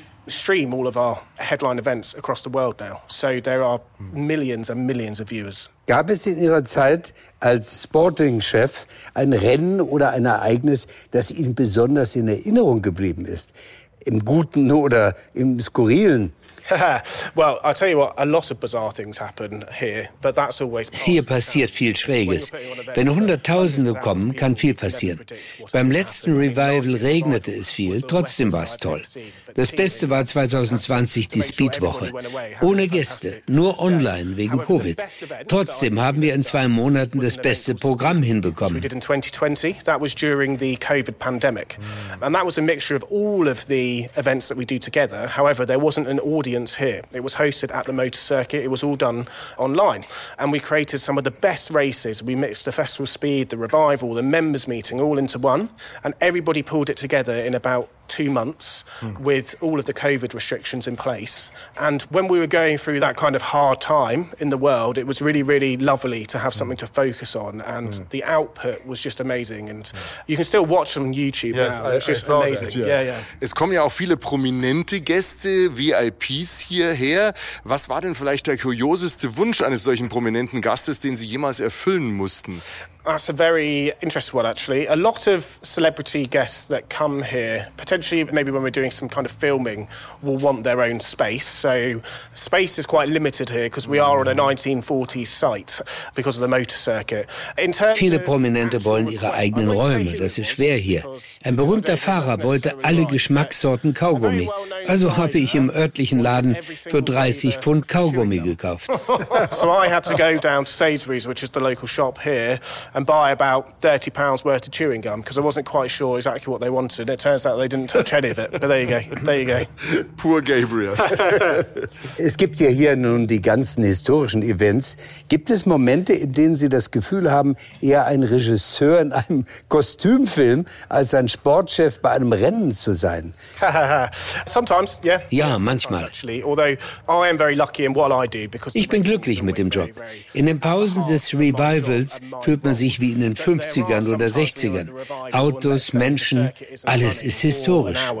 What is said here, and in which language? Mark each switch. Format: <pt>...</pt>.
<en>Stream all of our headline events across the world now. So there are millions and millions of viewers.</en> <de>Gab es in Ihrer Zeit als Sporting-Chef ein Rennen oder ein Ereignis, das Ihnen besonders in Erinnerung geblieben ist? Im Guten oder im Skurrilen?</de> <en>Well, I tell you what, a lot of bizarre things happen here, but that's always possible.</en> <de>Hier passiert viel Schräges. Wenn Hunderttausende kommen, kann viel passieren. Beim letzten Revival regnete es viel, trotzdem war es toll. Das Beste war 2020 die Speedwoche. Ohne Gäste, nur online wegen Covid. Trotzdem haben wir in 2 Monaten das beste Programm hinbekommen.</de> <en>In 2020, that was during the Covid pandemic. And that was a mixture of all of the events that we do together. However, there wasn't an audience here. It was hosted at the Motor Circuit. It was all done online. And we created some of the best races. We mixed the Festival Speed, the Revival, the Members Meeting all into one. And everybody pulled it together in about 2 months with all of the COVID restrictions in place. And when we were going through that kind of hard time in the world, it was really, really lovely to have something to focus on. And the output was just amazing. And you can still watch them on YouTube. Yeah, it's just amazing. That, yeah.</en> <de>Es kommen ja auch viele prominente Gäste, VIPs hierher. Was war denn vielleicht der kurioseste Wunsch eines solchen prominenten Gastes, den Sie jemals erfüllen mussten?</de> <en>That's a very interesting one, actually. A lot of celebrity guests that come here, potentially maybe when we're doing some kind of filming, will want their own space. So space is quite limited here because we are on a 1940s site because of the motor circuit.</en> <de>Viele Prominente wollen ihre eigenen Räume. Das ist schwer hier. Ein berühmter Fahrer wollte alle Geschmackssorten Kaugummi. Also habe ich im örtlichen Laden für 30 Pfund Kaugummi gekauft.</de> <en>So I had to go down to Sainsbury's, which is the local shop here, and buy about £30 worth of chewing gum because I wasn't quite sure exactly what they wanted. It turns out they didn't touch any of it. But there you go. There you go. Poor Gabriel.</en> <de>Es gibt ja hier nun die ganzen historischen Events. Gibt es Momente, in denen Sie das Gefühl haben, eher ein Regisseur in einem Kostümfilm als ein Sportchef bei einem Rennen zu sein?</de> <en>Sometimes, yeah.</en> <de>Ja, manchmal.</de> <en>Although I am very lucky in what I do because</en> <de>ich bin glücklich mit dem Job. In den Pausen des Revivals fühlt man sich wie in den 50ern oder 60ern. Autos, Menschen, alles ist historisch.</de>